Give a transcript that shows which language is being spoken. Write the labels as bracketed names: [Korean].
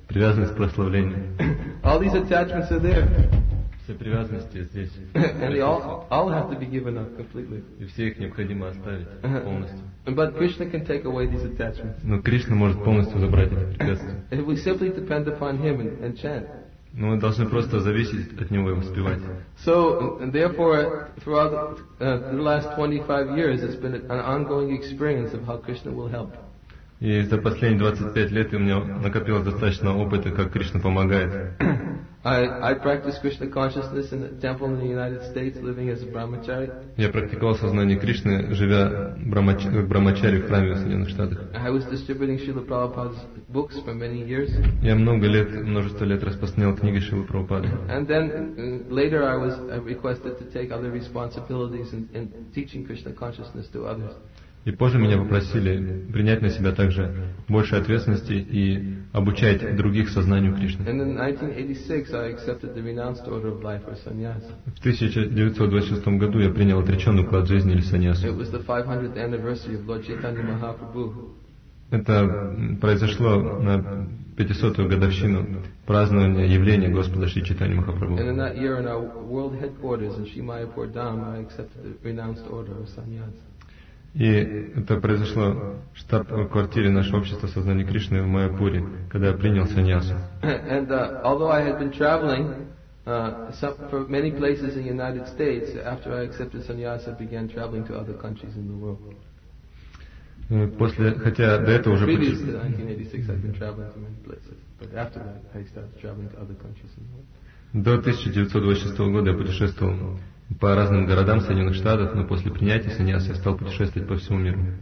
[Russian] Привязанность к прославлению. [English] All these attachments are there. [Russian] Все привязанности здесь. [English] And they all have to be given up completely. [Russian] И все их необходимо оставить полностью. [English] But Krishna can take away these attachments. [Russian] Но Кришна может полностью забрать эти препятствия. [English] If we simply depend upon Him and chant. [Russian] Но мы должны просто зависеть от Него и воспевать. [English] So, therefore, throughout the last 25 years, it's been an ongoing experience of how Krishna will help. [Russian] И за последние 25 лет у меня накопилось достаточно опыта, как Кришна помогает. [English] I practice Krishna consciousness in a temple in the United States, living as a brahmachari. [Russian] Я практиковал сознание Кришны, живя как брахмачари в храме в Соединенных Штатах. [English] I was distributing Srila Prabhupada's books for many years. [Russian] Я множество лет распространял книги Шрилы Прабхупады. [English] And then later I was requested to take other responsibilities in teaching Krishna consciousness to others. [Russian] И позже меня попросили принять на себя также больше ответственности и обучать других сознанию Кришны. [English] And in 1986 I accepted the renounced order of life or sannyas. [Russian] В 1926 году я принял отреченный уклад жизни или саньясу. [English] It was the 500th anniversary of Lord Chaitanya Mahaprabhu. [Russian] Это произошло на 500-ю годовщину празднования явления Господа Шри Чайтаньи Махапрабху. [English] And in that year in our world headquarters in Shimayapur Dham I accepted the renounced order of sannyas. [Russian] И это произошло в штаб-квартире нашего общества сознания Кришны в Майяпуре, когда я принял саньясу. [English] And although I had been traveling for many places in the United States, after I accepted sannyas, I began traveling to other countries in the world. [Russian] После, хотя до этого уже... [English] Previous to 1986, I've been traveling to many places, but after that, I started traveling to other countries in the world. [Russian] До 1926 года я путешествовал по разным городам Соединенных Штатов, но после принятия саньяса я стал путешествовать по всему миру.